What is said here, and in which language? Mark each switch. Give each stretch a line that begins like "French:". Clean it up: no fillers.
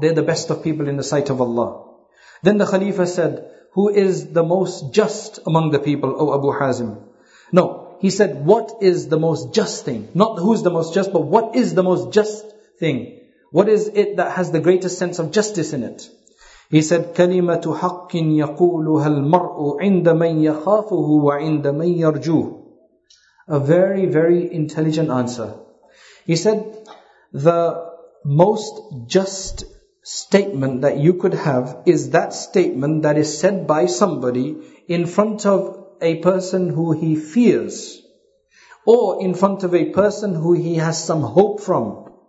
English: They're the best of people in the sight of Allah. Then the Khalifa said, who is the most just among the people, O Abu Hazim? No, he said, what is the most just thing? Not who's the most just, but what is the most just thing? What is it that has the greatest sense of justice in it? He said,
Arabic: كَلِمَةُ حَقٍ يَقُولُهَا الْمَرْءُ عِنْدَ مَنْ يَخَافُهُ وَعِنْدَ مَنْ يَرْجُوهُ.
English: A very, very intelligent answer. He said, the most just statement that you could have is that statement that is said by somebody in front of a person who he fears, or in front of a person who he has some hope from.